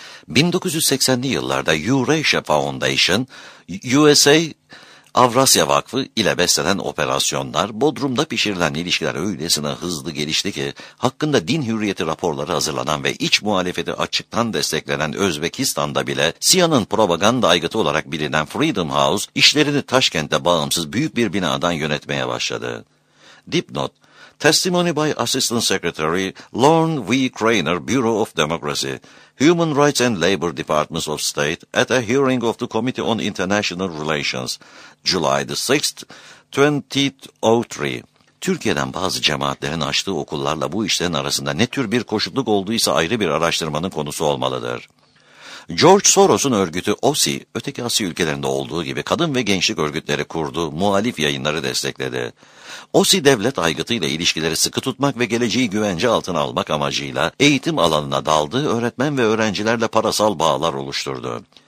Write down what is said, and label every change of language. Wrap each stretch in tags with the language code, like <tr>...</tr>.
<tr>1980'li yıllarda Eurasia Foundation, USA Avrasya Vakfı ile beslenen operasyonlar, Bodrum'da pişirilen ilişkiler öylesine hızlı gelişti ki, hakkında din hürriyeti raporları hazırlanan ve iç muhalefeti açıktan desteklenen Özbekistan'da bile, CIA'nın propaganda aygıtı olarak bilinen Freedom House, işlerini Taşkent'te bağımsız büyük bir binadan yönetmeye başladı.</tr> <en>Dipnot, Testimony by Assistant Secretary Lorne V. Craner, Bureau of Democracy, Human Rights and Labor Departments of State at a hearing of the Committee on International Relations, July 6, 2003.</en> <tr>Türkiye'den bazı cemaatlerin açtığı okullarla bu işlerin arasında ne tür bir koşulluk olduysa ayrı bir araştırmanın konusu olmalıdır. George Soros'un örgütü OSI, öteki Asya ülkelerinde olduğu gibi kadın ve gençlik örgütleri kurdu, muhalif yayınları destekledi. OSI devlet aygıtıyla ilişkileri sıkı tutmak ve geleceği güvence altına almak amacıyla eğitim alanına daldığı öğretmen ve öğrencilerle parasal bağlar oluşturdu.</tr>